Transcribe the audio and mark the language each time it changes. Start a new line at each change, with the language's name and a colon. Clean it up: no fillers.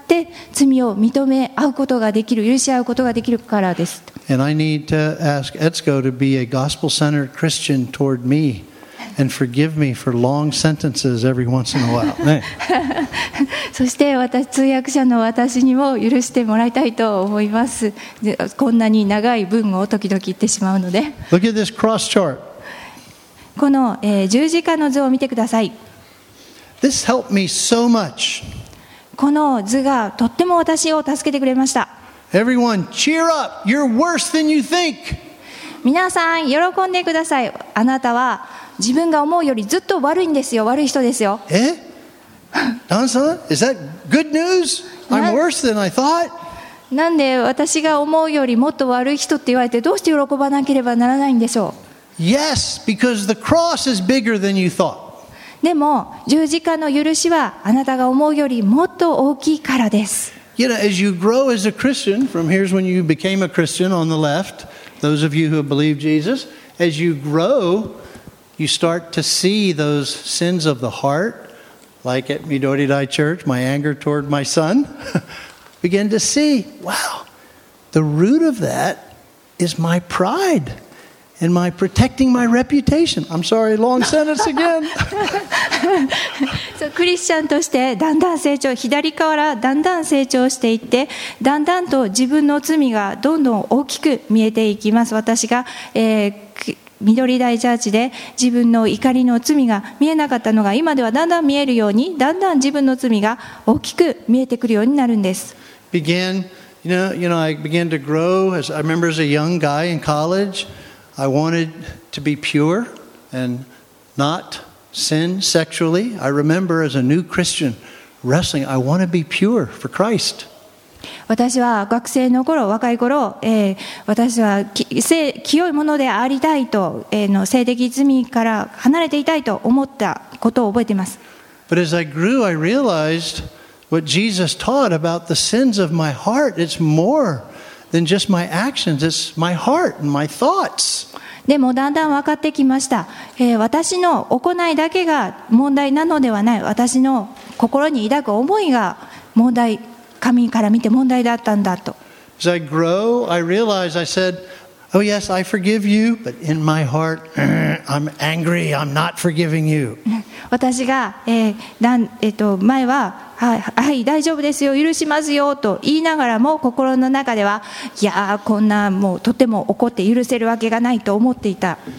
Japanese: で罪を認め合うことができる許し合うことができるからです。
English: And I need to ask Etsuko to be a gospel-centered Christian toward me and forgive me for long sentences every once in a while. Hey.
Japanese: そして私通訳者の私にも許してもらいたいと思います。こんなに長い文を時々言ってしまうので。
English: Look at this cross chart.
Japanese: この、十字架の図を見てください。
English: This helped me so much.
Japanese: この図がとっても私を助けてくれました。
English: Everyone, cheer up. You're worse than you think.
Japanese: 皆さん喜んでください。あなたは自分が思うよりずっと悪いんですよ。悪い人ですよ。
English: え Don-san, is that good news? I'm worse than I thought.
Japanese: なんで私が思うよりもっと悪い人って言われてどうして喜ばなければならないんでしょう。
English: Yes, because the cross is bigger than you thought
Japanese: でも十字架の許しはあなたが思うよりもっと大きいからです。
English: You know, as you grow as a Christian, from here's when you became a Christian on the left, those of you who have believed Jesus, as you grow, you start to see those sins of the heart, like at Midoridai Church, my anger toward my son, begin to see, wow, the root of that is my pride. Am I protecting my reputation? I'm sorry, long sentence again.
Japanese: So, クリスチャンとしてだんだん成長、左からだんだん成長していって、だんだんと自分の罪がどんどん大きく見えていきます。私が、緑大チャーチで自分の怒りの罪が見えなかったのが、今ではだんだん見えるように、だんだん自分の罪が大きく見えてくるようになるんです。
English: Begin, you know, I began to grow. As I remember, as a young guy in college, I wanted to be pure and not sin sexually. I remember as a new Christian wrestling, I want to be pure for Christ.
Japanese: 私は学生の頃、若い頃、私は清いものでありたいと、の性的罪から離れていたいと思ったことを覚えています。
English: But as I grew, I realized what Jesus taught about the sins of my heart. It's more than just my actions. It's my heart and my thoughts.
Japanese: でもだんだん分かってきました、私の行いだけが問題なのではない、私の心に抱く思いが問題、神から見て問題だったんだと。
English: As I grow, I realize, I said, Oh yes, I forgive you, but in my heart, I'm angry, I'm not forgiving you.
Japanese: 私が、前は、はい、大丈夫ですよ、許しますよと言いながらも、心の中では、いやー、こんな、もうとても怒って許せるわけがないと思っていた。